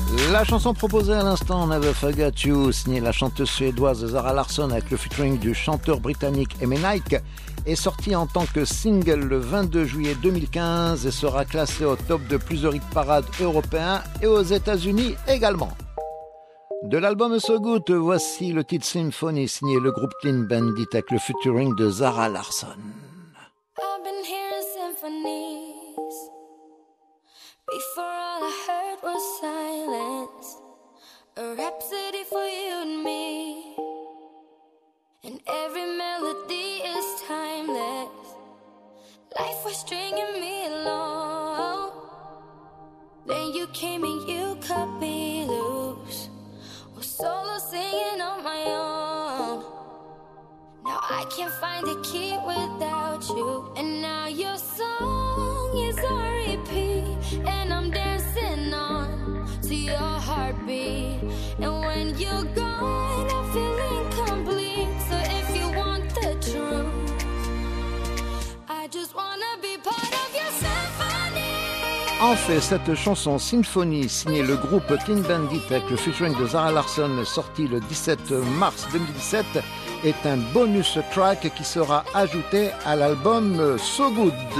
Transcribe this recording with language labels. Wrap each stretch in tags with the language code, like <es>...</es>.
<fr>La chanson proposée à l'instant, Never Forget You, signée la chanteuse suédoise Zara Larsson avec le featuring du chanteur britannique Amy Nike, est sortie en tant que single le 22 juillet 2015 et sera classée au top de plusieurs hit parades européens et aux États-Unis également. De l'album So Good, voici le titre Symphony signé le groupe Clean Bandit avec le featuring de Zara Larsson.</fr> <en>I've been hearing symphonies. Before all I heard was silence, a rhapsody for you and me, and every melody is timeless. Life was stringing me along, then you came and you cut me loose, was solo singing on my own. Now I can't find a key without you, and now your song is on repeat. And I'm dancing on to your heartbeat. And when you're gone, I feel incomplete. So if you want the truth, I just wanna be part of your symphony.</en> <fr>En fait, cette chanson Symphony, signée le groupe Clean Bandit avec le featuring de Zara Larsson, sortie le 17 mars 2017, est un bonus track qui sera ajouté à l'album So Good.</fr>